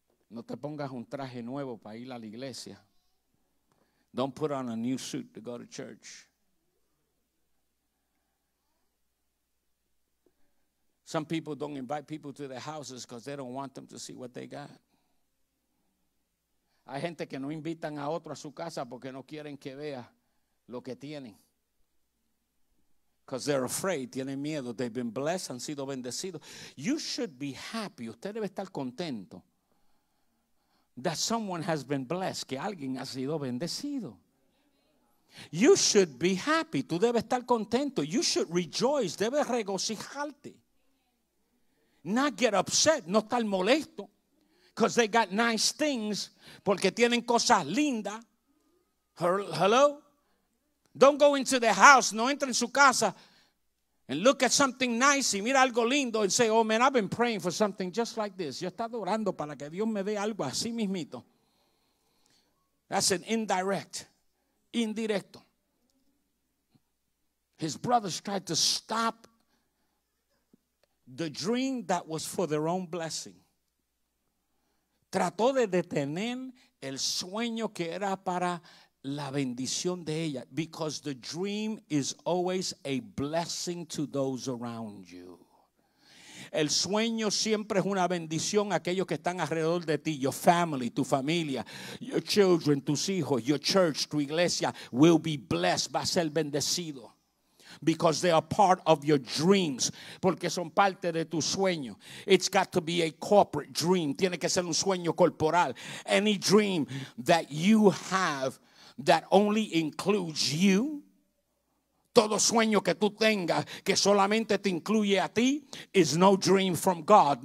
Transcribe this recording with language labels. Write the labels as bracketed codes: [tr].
[es] No te pongas un traje nuevo para ir a la iglesia. [en] Don't put on a new suit to go to church. Some people don't invite people to their houses because they don't want them to see what they got. [es] Hay gente que no invitan a otro a su casa porque no quieren que vea lo que tienen. [en] Because they're afraid, [es] tienen miedo. [en] They've been blessed, [es] han sido bendecidos. [en] You should be happy. [es] Usted debe estar contento. [en] That someone has been blessed, [es] que alguien ha sido bendecido. [en] You should be happy. [es] Tú debes estar contento. [en] You should rejoice. [es] Debes regocijarte. [en] Not get upset, [es] no estar molesto, [en] because they got nice things, [es] porque tienen cosas lindas. [en] Hello? Don't go into the house, [es] no entren en su casa, [en] And look at something nice, [es] y mira algo lindo, [en] and say, oh man, I've been praying for something just like this. [es] Yo estaba orando para que Dios me dé algo así mismito. [en] That's an indirect, indirecto. His brothers tried to stop the dream that was for their own blessing. [es] Trató de detener el sueño que era para la bendición de ella, [en] because the dream is always a blessing to those around you. [es] El sueño siempre es una bendición a aquellos que están alrededor de ti. [en] Your family, [es] tu familia, [en] your children, [es] tus hijos, [en] your church, [es] tu iglesia [en] will be blessed, [es] va a ser bendecido. [en] Because they are part of your dreams. [es] Porque son parte de tu sueño. [en] It's got to be a corporate dream. [es] Tiene que ser un sueño corporal. [en] Any dream that you have that only includes you. [es] Todo sueño que tú tengas que solamente te incluye a ti [en] is no dream from God.